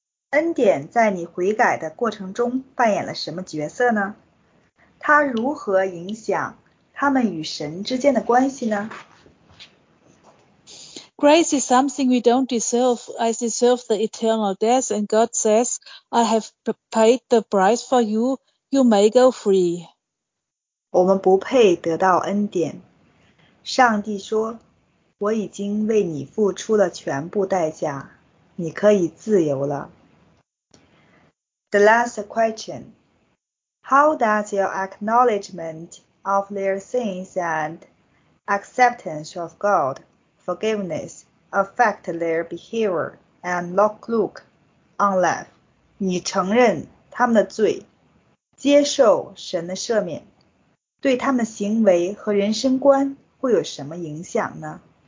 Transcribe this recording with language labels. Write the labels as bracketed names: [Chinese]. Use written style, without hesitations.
[Chinese] 恩典在你悔改的过程中扮演了什么角色呢？它如何影响他们与神之间的关系呢？ [English] Grace is something we don't deserve. I deserve the eternal death, and God says, I have paid the price for you. You may go free. [Chinese] 我们不配得到恩典。上帝说，我已经为你付出了全部代价，你可以自由了。 [English] The last question. How does your acknowledgement of their sins and acceptance of God? Forgiveness affect their behavior and look on life. [Chinese] 你承认他们的罪，接受神的赦免，对他们的行为和人生观会有什么影响呢？